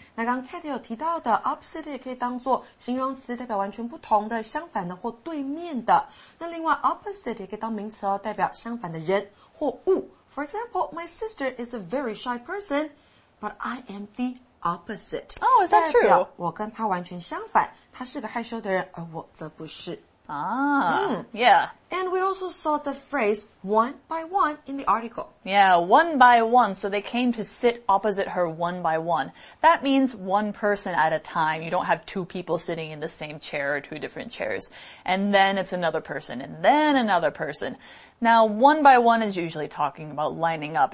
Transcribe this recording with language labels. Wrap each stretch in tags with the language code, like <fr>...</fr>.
<zh>那刚 Cat 有提到的 opposite 也可以当作形容词，代表完全不同的、相反的或对面的。那另外 opposite 也可以当名词哦，代表相反的人或物。</zh> <en>For example, my sister is a very shy person, but I am the opposite. Oh, is that true?</en> <zh>代表我跟他完全相反，他是个害羞的人，而我则不是。</zh> <en>Yeah. And we also saw the phrase one by one in the article. Yeah, one by one. So they came to sit opposite her one by one. That means one person at a time. You don't have two people sitting in the same chair or two different chairs. And then it's another person and then another person. Now, one by one is usually talking about lining up.</en>